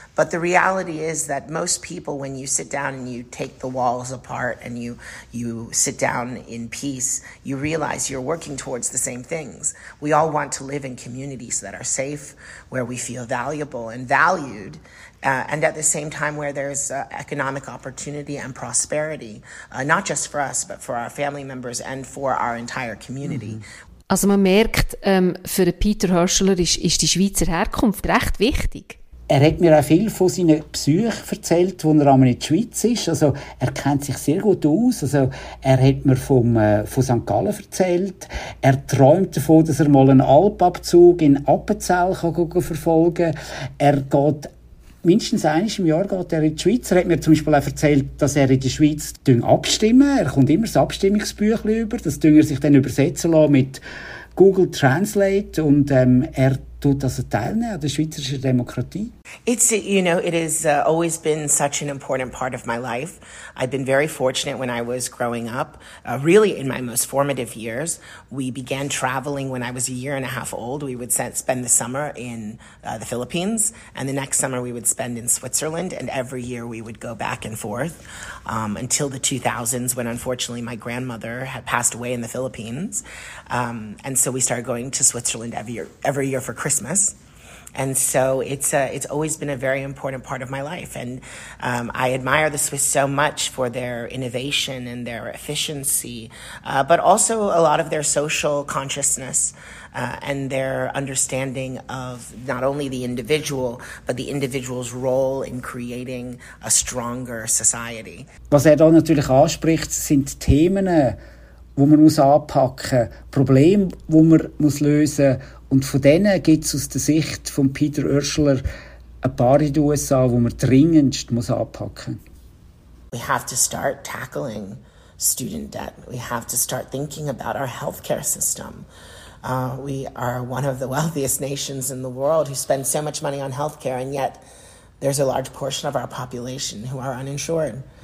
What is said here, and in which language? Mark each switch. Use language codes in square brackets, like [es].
[en] But the reality is that most people, when you sit down and you take the walls apart and you sit down in peace, you realize you're working towards the same things. We all want to live in communities that are safe, where we feel valuable and valued, and at the same time where there's economic opportunity and prosperity, not just for us, but for our family members and for our entire community. Mm-hmm. [de] Also man merkt, für Peter Urschler ist die Schweizer Herkunft recht wichtig. Er hat mir auch viel von seinen Psyche erzählt, als er einmal in der Schweiz ist. Also er kennt sich sehr gut aus. Also er hat mir von St. Gallen erzählt. Er träumt davon, dass er mal einen Alpabzug in Appenzell verfolgen kann. Er geht mindestens einmal im Jahr geht er in die Schweiz. Er hat mir zum Beispiel auch erzählt, dass er in der Schweiz abstimmen. Er kommt immer das Abstimmungsbüchlein über. Das tut er sich dann übersetzen lassen mit Google Translate. Und er tut das teilnehmen an der schweizerischen Demokratie. [en] It's, you know, it has always been such an important part of my life. I've been very fortunate when I was growing up, really in my most formative years. We began traveling when I was a year and a half old. We would spend the summer in the Philippines, and the next summer we would spend in Switzerland, and every year we would go back and forth until the 2000s, when unfortunately my grandmother had passed away in the Philippines. And so we started going to Switzerland every year for Christmas. And so it's always been a very important part of my life. And I admire the Swiss so much for their innovation and their efficiency, but also a lot of their social consciousness and their understanding of not only the individual, but the individual's role in creating a stronger society. [de] Was er da natürlich anspricht, sind Themen, wo man anpacken muss, Probleme, wo man lösen muss, Und von denen gibt es aus der Sicht von Peter Oeschler ein paar in den USA, die man dringendst anpacken muss. [en] We have to start tackling student debt. We have to start thinking about our healthcare system. We are one of the wealthiest nations in the world who spend so much money on healthcare, and yet there's a large portion of our population who are uninsured.